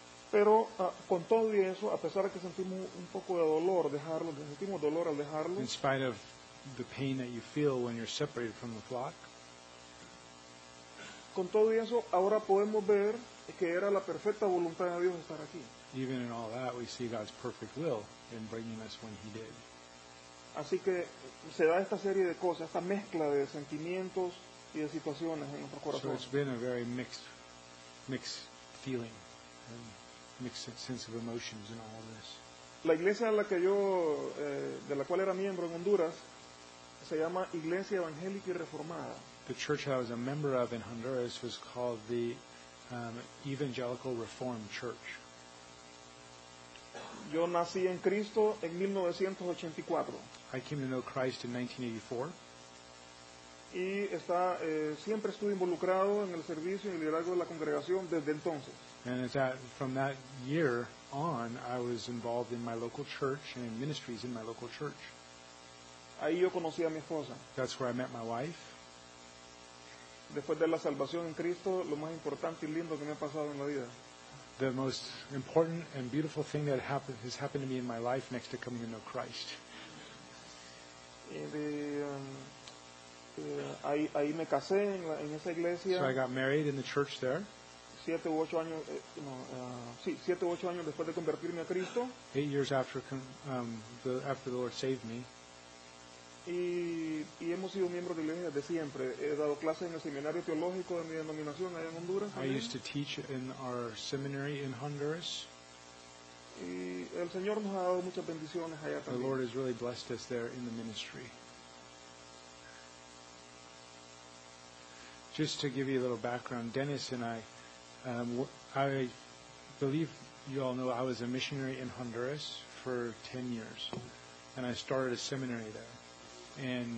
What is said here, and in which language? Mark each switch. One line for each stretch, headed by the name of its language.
Spanish: Pero con todo y eso, a pesar de que sentimos un poco de dolor dejarlo, sentimos dolor al dejarlo.
English: In spite of the pain that you feel when you're separated from the flock.
Spanish: Con todo eso, ahora podemos ver que era la perfecta voluntad de Dios estar aquí.
English: Even in all that, we see God's perfect will in bringing us when He did.
Spanish: Así que se da esta serie de cosas, esta mezcla de sentimientos y de situaciones en nuestro corazón.
English: So it's been a very mixed feeling, and mixed sense of emotions in all this.
Spanish: La iglesia a la que yo, de la cual era miembro en Honduras, se llama Iglesia Evangélica y Reformada.
English: The church I was a member of in Honduras was called the Evangelical Reformed Church.
Spanish: Yo nací en Cristo en 1984.
English: I came to know Christ in 1984.
Spanish: Y está siempre estuve involucrado en el servicio y el liderazgo de la congregación desde entonces.
English: And it's that from that year on, I was involved in my local church and in ministries in my local church.
Spanish: Ahí yo conocí a mi esposa.
English: That's where I met my wife.
Spanish: Después de la salvación en Cristo, lo más importante y lindo que me ha pasado en la vida.
English: The most important and beautiful thing that has happened to me in my life next to coming to know Christ.
Spanish: Y de, ahí me casé en esa iglesia.
English: So I got married in the church there.
Spanish: 7 u 8 años después de convertirme a Cristo.
English: 8 years after the Lord saved me.
Spanish: Y hemos sido miembros de la iglesia desde siempre. He dado clases en el seminario teológico de mi denominación allá en Honduras.
English: I used to teach in our seminary in Honduras.
Spanish: Y el Señor nos ha dado muchas bendiciones allá también.
English: The Lord has really blessed us there in the ministry. Just to give you a little background, Dennis and I believe you all know I was a missionary in Honduras for 10 years, and I started a seminary there.